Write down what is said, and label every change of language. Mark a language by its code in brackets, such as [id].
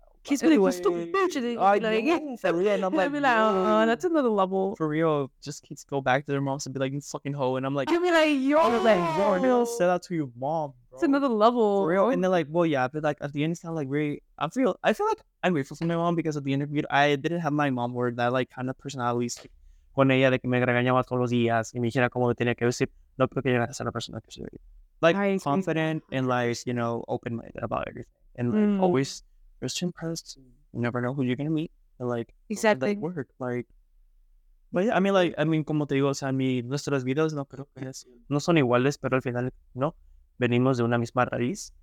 [en] Kids be like, you stupid bitch. I'm like, that's another level. For real, just kids go back to their moms and be like, you fucking hoe. And I'm like, I'll be like, yo. I'll say that to your mom, bro. It's another level. For real. And they're like, well, yeah, but like at the end, it's not like really, I feel like I'm grateful for my mom because at the interview, I didn't have my mom or that like kind of personality. [es] Con ella de que me regañaba todos los días y me dijera cómo lo tenía que decir, no creo que llegara a ser la persona que soy. [en] Like, I confident and like, you know, open minded about everything. And like, always. Just impressed. You never know who you're gonna meet. And like, exactly. That work. Like, but yeah, I mean, [es] como te digo, o sea, nuestros videos no creo que es, no son iguales, pero al final, no, venimos de una misma raíz,